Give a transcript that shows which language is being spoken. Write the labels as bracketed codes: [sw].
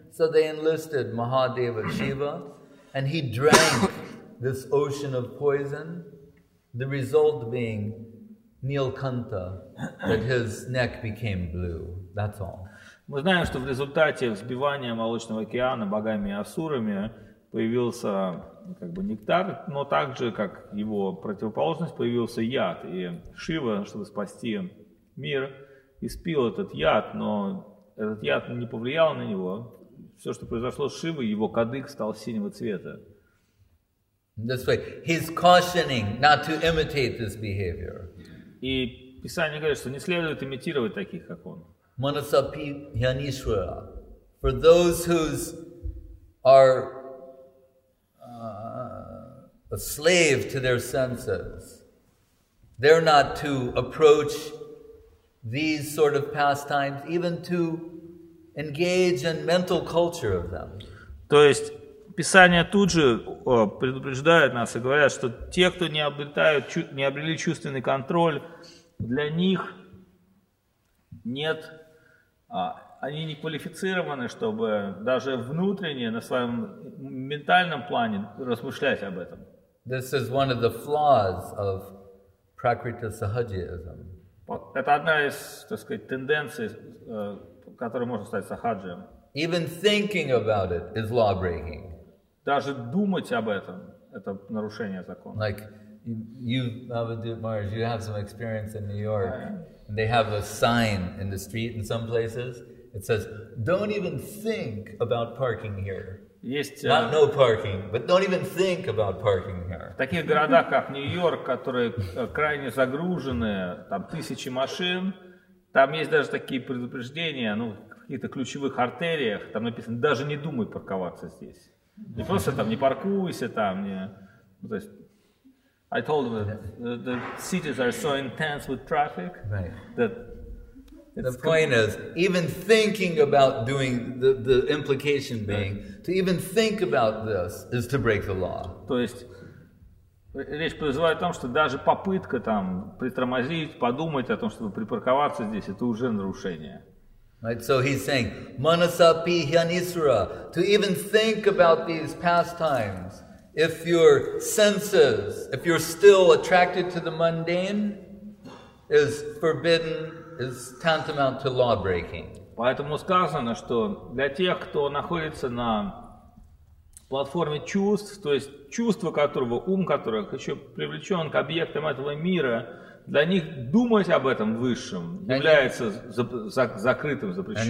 [en] So they enlisted Mahadeva Shiva, and he drank this ocean of poison. The result being Nilkanta, that his neck became blue. That's all. [ru] Мы знаем, что в результате взбивания молочного океана богами и асурами появился как бы нектар, но также, как его противоположность, появился яд. И Шива, чтобы спасти мир, испил этот яд, но этот яд не повлиял на него. Все, что произошло с Шивой, его кадык стал синего цвета. [en] This way, he's cautioning not to imitate this behavior. [ru] И Писание говорит, что не следует имитировать таких, как он. [sa] Manasapi Hyanishwara. [en] For those who are a slave to their senses, they're not to approach these sort of pastimes, even to engage in mental culture of them. [ru] То есть Писание тут же предупреждает нас и говорят, что те, кто не обрели чувственный контроль, для них нет, они не квалифицированы, чтобы даже внутренне на своем ментальном плане размышлять об этом. [en] This is one of the flaws of Prakriti Sahajism. [ru] Это одна из, так сказать, тенденций, которой можно стать сахаджием. [en] Even thinking about it is law breaking. [ru] Даже думать об этом – это нарушение закона. [en] Like you, Abhidhut Maharaj, you have some experience in New York. Yeah. They have a sign in the street in some places. It says, "Don't even think about parking here." [ru] Есть. [en] Not no parking, but don't even think about parking here. [ru] В таких городах, как Нью-Йорк, которые крайне загружены, там тысячи машин, там есть даже такие предупреждения, ну в каких-то ключевых артериях, там написано: «Даже не думай парковаться здесь». Не просто там, не паркуйся там, не... Ну, то есть, [en] I told them that the cities are so intense with traffic, right, that... The point is, even thinking about doing, the implication being, right, to even think about this is to break the law. [ru] То есть, речь призывает о том, что даже попытка там притормозить, подумать о том, чтобы припарковаться здесь, это уже нарушение. [en] Right, so he's saying, Manasapi Hyanisura, to even think about these pastimes, if your senses, if you're still attracted to the mundane, is forbidden, is tantamount to law breaking. [ru] Поэтому сказано, что для тех, кто находится на платформе чувств, то есть чувство которого, ум которых еще привлечен к объектам этого мира, для них думать об этом высшем является закрытым, запрещенным.